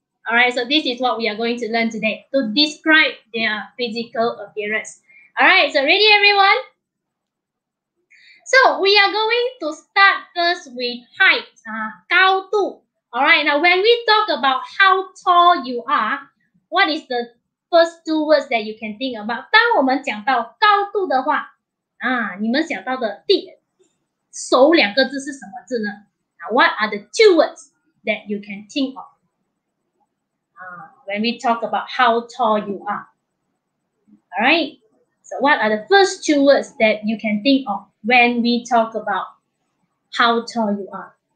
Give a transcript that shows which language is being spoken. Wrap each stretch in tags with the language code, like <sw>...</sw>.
<en>All right, so this is what we are going to learn today, to describe their physical appearance. All right, so ready, everyone? So we are going to start first with height,</en> <zh>高度.</zh> <en>All right, now when we talk about how tall you are, what is the first two words that you can think about?</en> <zh>当我们讲到高度的话，你们想到的第首两个字是什么字呢？</zh> <en>What are the two words that you can think of? When we talk about how tall you are, all right? So what are the first two words that you can think of when we talk about how tall you are?</en>